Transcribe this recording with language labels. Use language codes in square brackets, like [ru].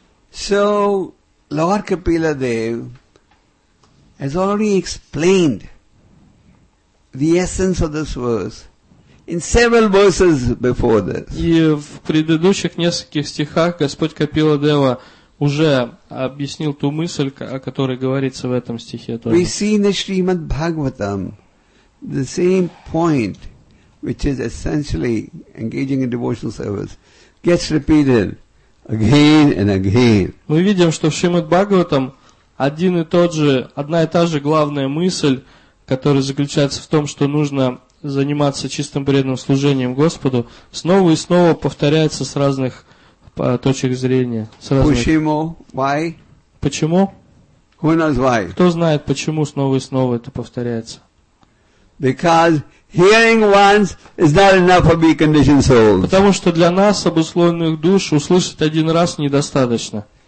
[en] So, Lord Kapila Dev has already explained the essence of this verse in several verses before this. [ru] И в предыдущих нескольких стихах Господь Капила Дева уже объяснил ту мысль, о которой говорится в этом стихе тоже. [en] We see in the Srimad Bhagavatam the same point, which is essentially engaging in devotional service, gets repeated again and again. [ru] Мы видим, что в Шримад-Бхагаватам один и тот же, одна и та же главная мысль, которая заключается в том, что нужно заниматься чистым преданным служением Господу, снова и снова повторяется с разных точек зрения. Почему? [en] Why? [ru] Почему? [en] Who knows why? [ru] Кто знает, почему снова и снова это повторяется? [en] Because hearing once is not enough for being conditioned souls. [ru] Потому что для нас, обусловленных душ, услышать один раз недостаточно.